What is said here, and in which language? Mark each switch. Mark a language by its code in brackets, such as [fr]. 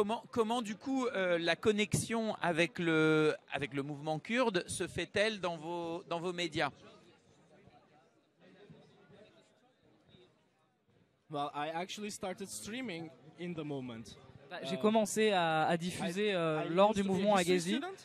[fr] Comment du coup la connexion avec le mouvement kurde se fait-elle dans vos médias? [en] Well, I actually started streaming in the moment. [fr] J'ai commencé à diffuser lors du mouvement à Gezi.